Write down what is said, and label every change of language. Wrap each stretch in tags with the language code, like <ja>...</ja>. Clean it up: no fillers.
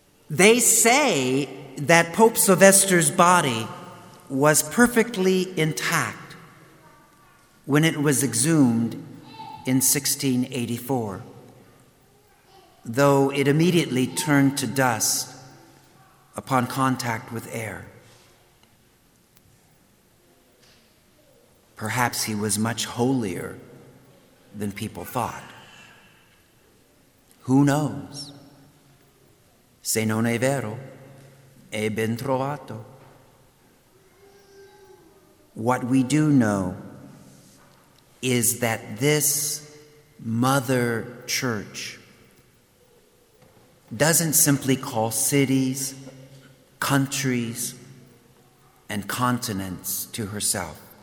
<en>They say that Pope Sylvester's body was perfectly intact when it was exhumed in 1684, though it immediately turned to dust upon contact with air. Perhaps he was much holier than people thought. Who knows?</en> <it>Se non è vero, è ben trovato.</it> <en>What we do know is that this mother church doesn't simply call cities, countries, and continents to herself.</en>